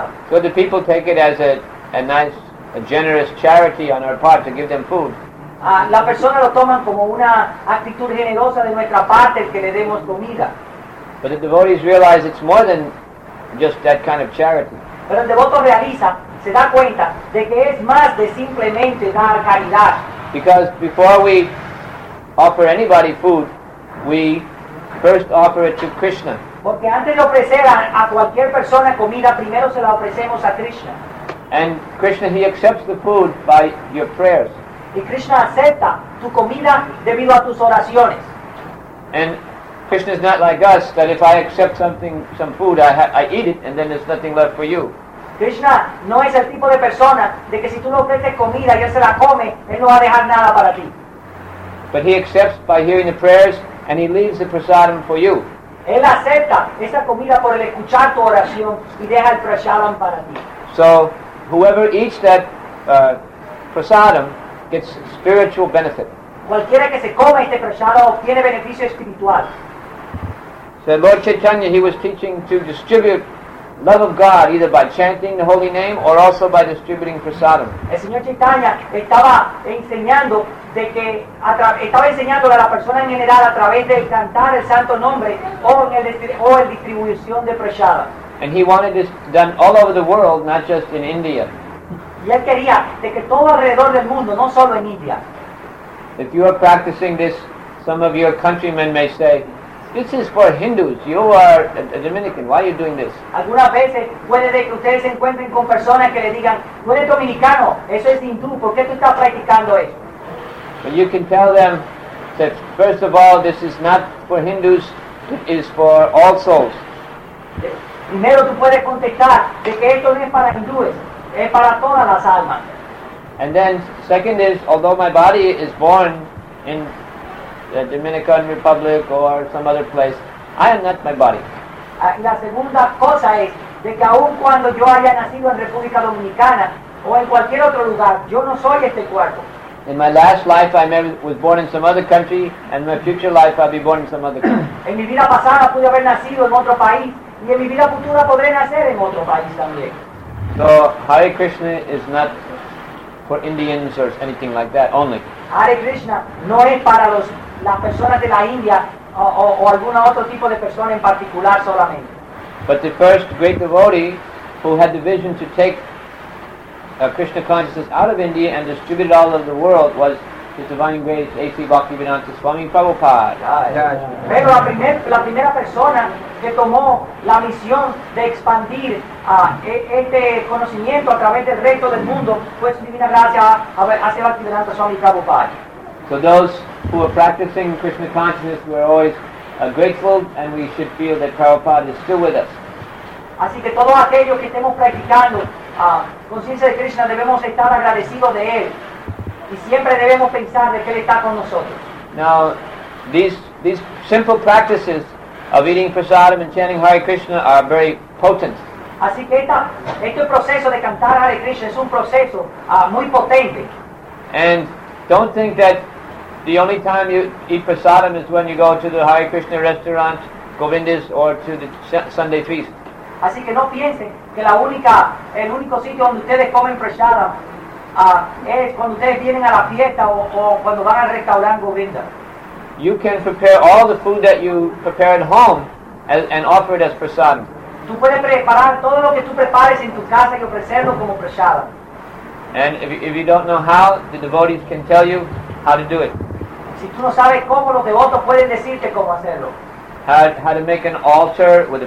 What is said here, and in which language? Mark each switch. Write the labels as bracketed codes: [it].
[en] So the people take it as a nice, generous charity on our part to give them food. [es] La persona lo toman como una actitud generosa de nuestra parte que le demos comida. [en] But the devotees realize it's more than just that kind of charity. [es] Pero el devoto realiza, se da cuenta de que es más de simplemente dar caridad. [en] Because before we offer anybody food, we first offer it to Krishna. [es] Porque antes de ofrecer a cualquier persona comida, primero se la ofrecemos a Krishna. [en] And Krishna, he accepts the food by your prayers. [es] Y Krishna acepta tu comida debido a tus oraciones. [en] And Krishna is not like us, that if I accept something, some food, I eat it, and then there's nothing left for you. [es] Krishna no es el tipo de persona de que si tú le ofreces comida y él se la come, él no va a dejar nada para ti. [en] But he accepts by hearing the prayers, and he leaves the prasadam for you. [es] Él acepta esa comida por el escuchar tu oración y deja el prasadam para ti. [en] So, whoever eats that prasadam gets spiritual benefit. [es] Cualquiera que se come este prasadam obtiene beneficio espiritual. [en] So Lord Chaitanya, he was teaching to distribute love of God either by chanting the holy name or also by distributing prasadam. [es] El señor Chaitanya estaba enseñando enseñándole a la persona en general a través de cantar el santo nombre o en distribución de prasadam. [en] And he wanted this done all over the world, not just in India. [es] Y él quería de que todo alrededor del mundo, no solo en India. [en] If you are practicing this, some of your countrymen may say, this is for Hindus. You are a Dominican. Why are you doing this? [es] Algunas veces puede de que ustedes se encuentren con personas que le digan, tú eres dominicano, eso es hindú, ¿por qué tú estás practicando eso? [en] But you can tell them that first of all, this is not for Hindus, it is for all souls. [es] Primero tú puedes contestar de que esto no es para hindúes, es para todas las almas. [en] And then second is, although my body is born in the Dominican Republic or some other place, I am not my body. [es] La segunda cosa es de que aun cuando yo haya nacido en República Dominicana o en cualquier otro lugar, yo no soy este cuerpo. [en] In my last life I was born in some other country, and in my future life I'll be born in some other country. [es] En mi vida pasada pude haber nacido en otro país, y en mi vida futura podré nacer en otro país también. [en] So Hare Krishna is not for Indians or anything like that only. [es] Hare Krishna no es para las personas de la India o algún otro tipo de persona en particular solamente. [en] But the first great devotee who had the vision to take Krishna consciousness out of India and distribute it all over the world was His Divine Grace A.C. Bhaktivedanta Swami Prabhupada. [es] Pero la primera persona que tomó la misión de expandir este conocimiento a través del resto del mundo fue Su Divina Gracia A.C. Bhaktivedanta Swami Prabhupada. [en] So those who are practicing Krishna consciousness were always grateful, and we should feel that Prabhupada is still with us. [es] Así que todos aquellos que estemos practicando conciencia de Krishna debemos estar agradecidos de él y siempre debemos pensar de que él está con nosotros. [en] Now, these simple practices of eating prasadam and chanting Hare Krishna are very potent. [es] Así que este proceso de cantar Hare Krishna es un proceso muy potente. [en] And don't think that the only time you eat prasadam is when you go to the Hare Krishna restaurant, Govindas, or to the Sunday feast. [es] Así que no piensen que la única, el único sitio donde ustedes comen prasadam es cuando ustedes vienen a la fiesta o cuando van al restaurante Govinda. [en] You can prepare all the food that you prepare at home and offer it as prasadam. [es] Tú puedes preparar todo lo que tú prepares en tu casa y ofrecerlo como prasadam. [en] And if you don't know how, the devotees can tell you how to do it. [es] Si tú no sabes cómo, los devotos pueden decirte cómo hacerlo. [en] How to make an altar with a picture.